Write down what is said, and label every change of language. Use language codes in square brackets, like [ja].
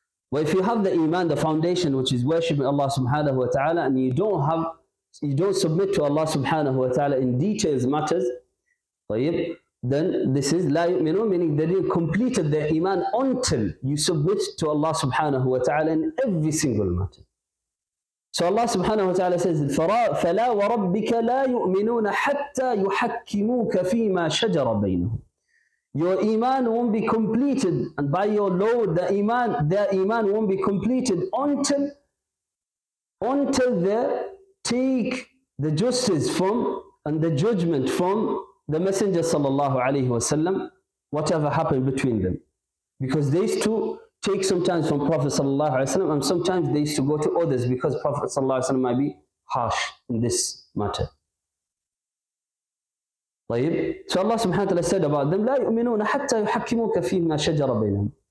[en] But if you have the إيمان, the foundation, which is worshiping Allah subhanahu wa ta'ala, and you don't submit to Allah subhanahu wa ta'ala in details matters, طيب, then this is [ar] لا يؤمنون, [en] meaning they didn't complete their iman until you submit to Allah [ar] سبحانه وتعالى [en] in every single matter. So Allah [ar] سبحانه وتعالى [en] says [ar] فلا وربك لا يؤمنون حتى يحكموك فيما شجر بينهم. [en] Your iman won't be completed, and by your Lord, the iman won't be completed until they take the justice from and the judgment from the Messenger sallallahu alaihi wasallam, whatever happened between them, because they used to take sometimes from Prophet sallallahu alaihi wasallam, and sometimes they used to go to others because Prophet sallallahu alaihi wasallam might be harsh in this matter. [ar] طيب, [en] so Allah [ar] سبحانه وتعالى [en] said about them [ar] لا يؤمنون حتى يحكموك فيما شجر بينهم.